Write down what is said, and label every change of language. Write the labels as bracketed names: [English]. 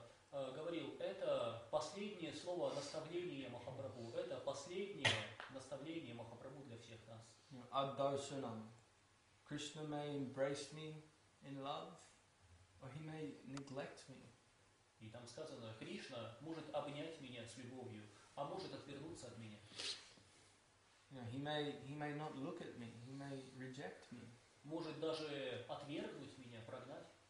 [Russian] Говорил, это последнее слово наставления Махапрабху. Это последнее наставление Махапрабху для всех нас. [Sanskrit] Ад-даршанам. [English] Krishna may embrace me in love, or he may neglect me. [Russian] И там сказано, Кришна может обнять меня с любовью, а может отвернуться от меня. [English] He may not look at me, he may reject me. [Russian] Может даже отвергнуть меня, прогнать.